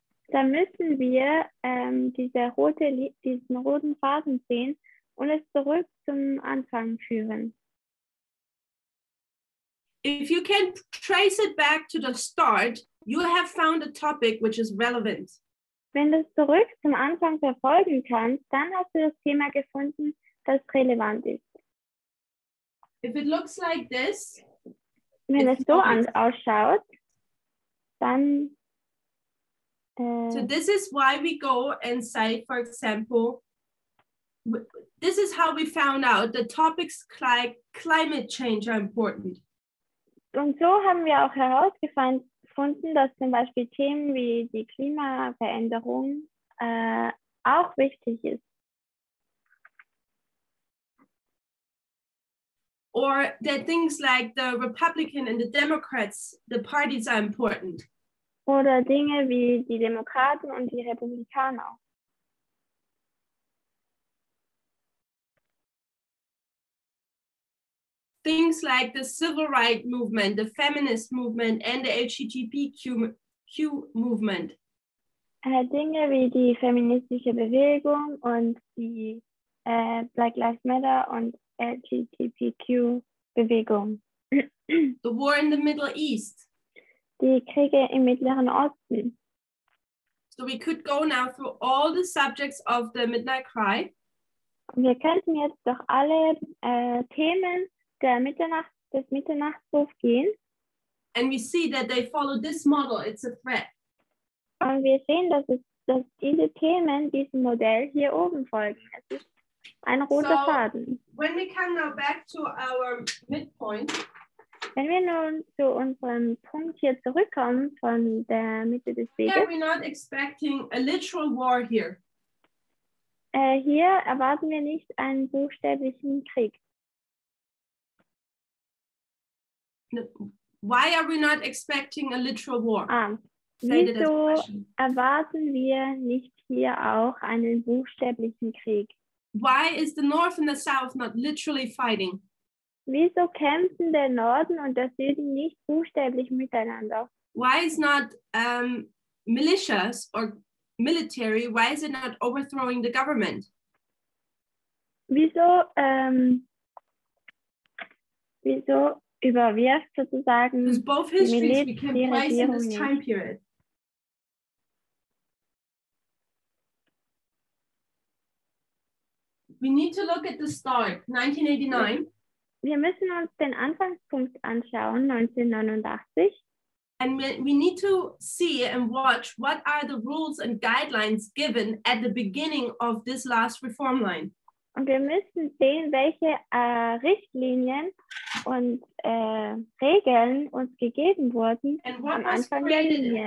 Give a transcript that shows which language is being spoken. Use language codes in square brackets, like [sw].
[de] Da müssen wir diesen roten Faden sehen und es zurück zum Anfang führen. [en] If you can trace it back to the start, you have found a topic which is relevant. [de] Wenn du es zurück zum Anfang verfolgen kannst, dann hast du das Thema gefunden, das relevant ist. [en] If it looks like this, [de] wenn es so ausschaut, dann. [en] So this is why we go and say, for example, this is how we found out the topics like climate change are important. [de] Und so haben wir auch herausgefunden, dass zum Beispiel Themen wie die Klimaveränderung auch wichtig ist. [en] Or that things like the Republican and the Democrats, the parties are important. [de] Oder Dinge wie die Demokraten und die Republikaner. [en] Things like the civil rights movement, the feminist movement and the LGBTQ movement. [de] Dinge wie die feministische Bewegung und die Black Lives Matter und LGBTQ Bewegung. [en] The war in the Middle East. [de] Die Kriege im Mittleren Osten. [en] So we could go now through all the subjects of the Midnight Cry. [de] Wir könnten jetzt durch alle Themen des Mitternachtsrufs gehen. [en] And we see that they follow this model, it's a threat. [de] Und wir sehen, dass diese Themen diesem Modell hier oben folgen. Es ist ein roter Faden. [en] When we come now back to our midpoint, [de] wenn wir nun zu unserem Punkt hier zurückkommen von der Mitte des Weges, [en] here we're not expecting a literal war here. [de] Hier erwarten wir nicht einen buchstäblichen Krieg. [en] Why are we not expecting a literal war? [de] Wieso erwarten wir nicht hier auch einen buchstäblichen Krieg? [en] Why is the North and the South not literally fighting? [de] Wieso kämpfen der Norden und der Süden nicht buchstäblich miteinander? [en] Why is not militias or military, why is it not overthrowing the government? [de] Wieso, wieso überwirft sozusagen die Militär die Regierung nicht? [en] Because both histories became twice in this time period. We need to look at the start, 1989. [de] Wir müssen uns den Anfangspunkt anschauen, 1989. [en] And we need to see and watch what are the rules and guidelines given at the beginning of this last reform line. [de] Und wir müssen sehen, welche Richtlinien und Regeln uns gegeben wurden am Anfang der Linie.